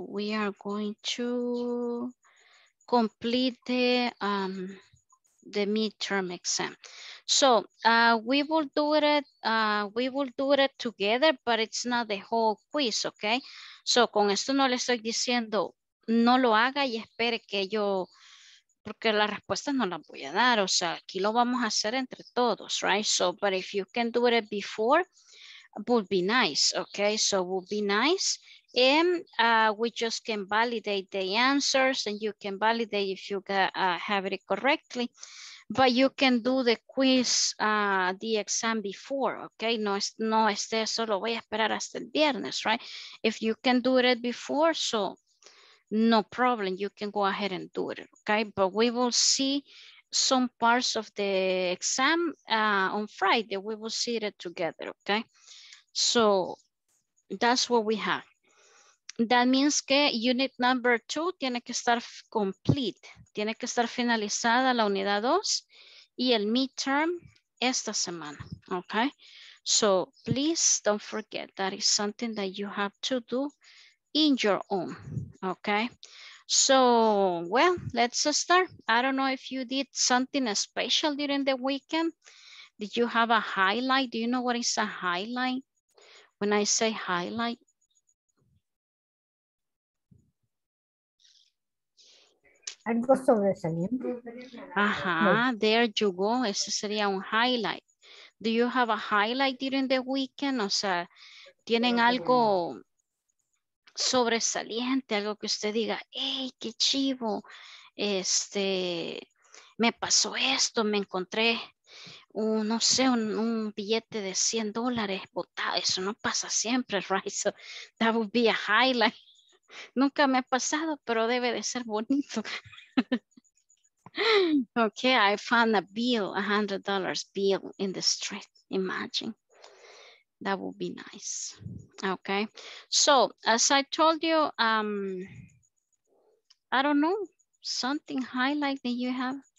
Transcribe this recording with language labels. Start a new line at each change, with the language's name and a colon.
English: We are going to complete the midterm exam. So we will do it together, but it's not the whole quiz, okay?
Spanish: So con esto no le estoy diciendo no lo haga y espere que yo, porque las respuestas no las voy a dar, o sea, aquí lo vamos a hacer entre todos, right?
English: So, but if you can do it before, would be nice, okay? So would be nice. And we just can validate the answers and you can validate if you have it correctly, but you can do the quiz, the exam before, okay?
Spanish: No, solo voy a esperar hasta el viernes, right?
English: If you can do it before, so no problem, you can go ahead and do it, okay? But we will see some parts of the exam on Friday. We will see it together, okay? So that's what we have. That means que unit number 2
Spanish: tiene que estar
English: complete.
Spanish: Tiene que estar finalizada la unidad 2 y el midterm esta semana, okay?
English: So please don't forget that is something that you have to do in your own, okay? So, well, let's start. I don't know if you did something special during the weekend. Did you have a highlight? Do you know what is a highlight? When I say highlight,
Spanish: algo sobresaliente. Ajá,
English: there you go.
Spanish: Ese sería un highlight.
English: Do you have a highlight during the weekend?
Spanish: O sea, ¿tienen algo sobresaliente? Algo que usted diga, hey, qué chivo. Este, me pasó esto, me encontré un billete de $100 botado. Eso no pasa siempre,
English: right? So that would be a highlight.
Spanish: Nunca me ha pasado, pero debe de ser bonito.
English: Okay, I found a bill, $100 bill in the street. Imagine. That would be nice. Okay. So, as I told you, I don't know, something highlight that you have.